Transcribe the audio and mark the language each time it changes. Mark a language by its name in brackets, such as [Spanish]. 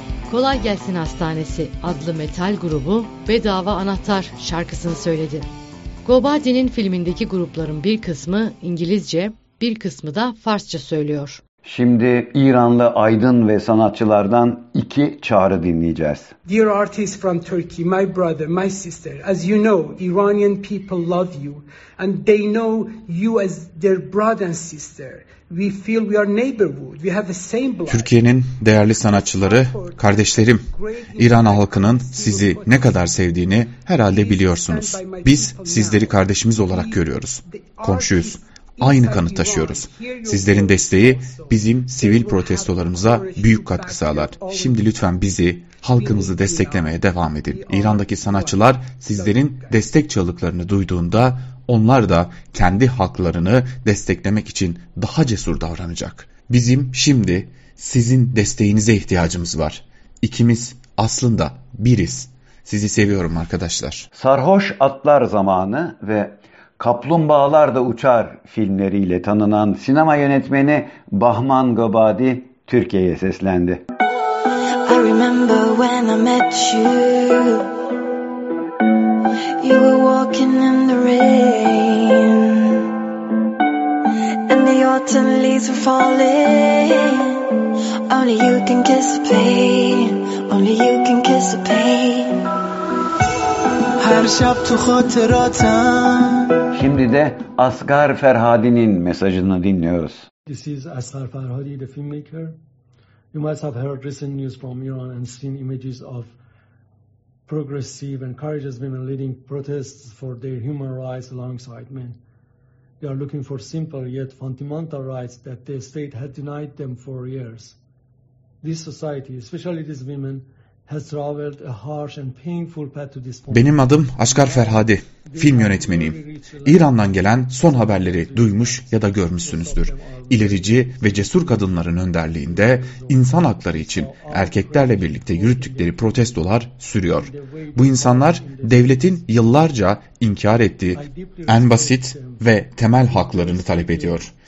[Turkish] Kolay Gelsin Hastanesi adlı metal grubu Bedava Anahtar şarkısını söyledi. Gobadi'nin filmindeki grupların bir kısmı İngilizce, bir kısmı da Farsça söylüyor. Şimdi İranlı aydın ve sanatçılardan iki çağrı dinleyeceğiz. [English] Dear artists from Turkey, my brother, my sister, as you know, Iranian people love you and they know you as their brother and sister. We feel we are neighborhood. We have the same blood. [Turkish] Türkiye'nin değerli sanatçıları, kardeşlerim, İran halkının sizi ne kadar sevdiğini herhalde biliyorsunuz. Biz sizleri kardeşimiz olarak görüyoruz. Komşuyuz. Aynı kanı taşıyoruz. Sizlerin desteği bizim sivil protestolarımıza büyük katkı sağlar. Şimdi lütfen bizi halkımızı desteklemeye devam edin. İran'daki sanatçılar sizlerin destek çığlıklarını duyduğunda onlar da kendi haklarını desteklemek için daha cesur davranacak. Bizim şimdi sizin desteğinize ihtiyacımız var. İkimiz aslında biriz. Sizi seviyorum arkadaşlar. Sarhoş Atlar Zamanı ve Kaplumbağalar da Uçar filmleriyle tanınan sinema yönetmeni Bahman Gobadi Türkiye'ye seslendi. [English] I remember when I met you. You were walking in the rain. And the autumn leaves were falling. Only you can kiss the pain. Only you can kiss the pain. [Persian] Her şap tu hatıratım. [Turkish] Şimdi de Asgar Ferhadi'nin mesajını dinliyoruz. [English] This is Asgar Ferhadi, the filmmaker. You must have heard recent news from Iran and seen images of progressive and courageous women leading protests for their human rights alongside men. They are looking for simple yet fundamental rights that the state had denied them for years. This society, especially these women, has traveled a harsh and painful path to this point. [Turkish] Benim adım Asgar Ferhadi. Film yönetmeniyim. İran'dan gelen son haberleri duymuş ya da görmüşsünüzdür. İlerici ve cesur kadınların önderliğinde insan hakları için erkeklerle birlikte yürüttükleri protestolar sürüyor. Bu insanlar devletin yıllarca inkar ettiği en basit ve temel haklarını talep ediyor.